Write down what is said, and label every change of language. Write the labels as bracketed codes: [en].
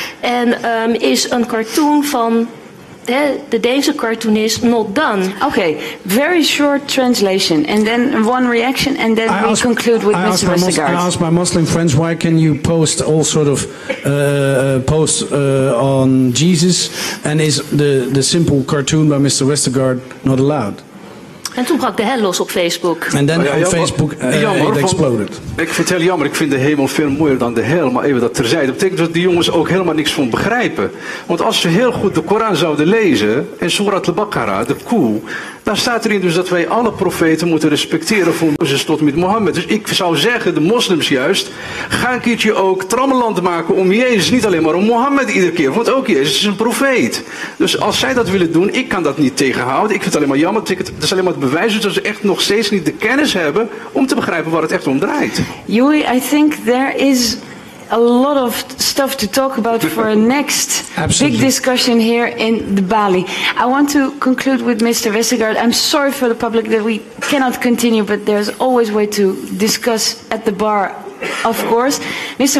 [nl] En is een cartoon van de Deense cartoonist not done. [en] Okay, very short translation and then one reaction and then we conclude with Mr. Westergaard. I asked my Muslim friends, why can you post all sort of posts on Jesus and is the simple cartoon by Mr. Westergaard not allowed? [nl] En toen brak de hel los op Facebook. En dan op Facebook het exploded. Ik vertel jammer, ik vind de hemel veel mooier dan de hel. Maar even dat terzijde. Dat betekent dat die jongens ook helemaal niks van begrijpen. Want als ze heel goed de Koran zouden lezen. En Surat al-Baqarah, de koe. Daar staat erin dus dat wij alle profeten moeten respecteren. Van Mozes tot met Mohammed. Dus ik zou zeggen, de moslims juist. Ga een keertje ook trammeland maken om Jezus. Niet alleen maar om Mohammed iedere keer. Want ook Jezus is een profeet. Dus als zij dat willen doen, ik kan dat niet tegenhouden. Ik vind het alleen maar jammer. Het is alleen maar bewijzen dat ze echt nog steeds niet de kennis hebben om te begrijpen waar het echt om draait. [en] Joey, I think there is a lot of stuff to talk about for a next big discussion here in the Bali. I want to conclude with Mr. Westergaard. I'm sorry for the public that we cannot continue, but there's always way to discuss at the bar, of course. Mr.